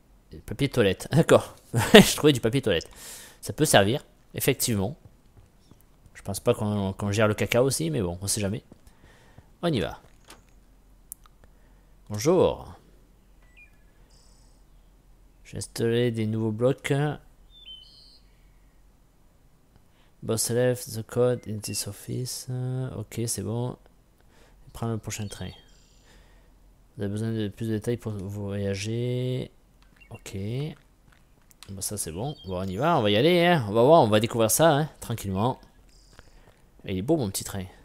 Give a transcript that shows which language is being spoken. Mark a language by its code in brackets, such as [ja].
[fr] Des papiers toilettes, d'accord, je trouvais du papier toilette. Ça peut servir, effectivement. Je pense pas qu'on gère le caca aussi, mais bon, on sait jamais. On y va. Bonjour. J'ai installé des nouveaux blocs. [en] Boss left the code in this office. [fr] Ok, c'est bon. Prends le prochain train. Vous avez besoin de plus de détails pour voyager. Ok. Bon, ça c'est bon. Bon, on y va, on va y aller. Hein. On va voir, on va découvrir ça hein, tranquillement. Et il est beau mon petit train.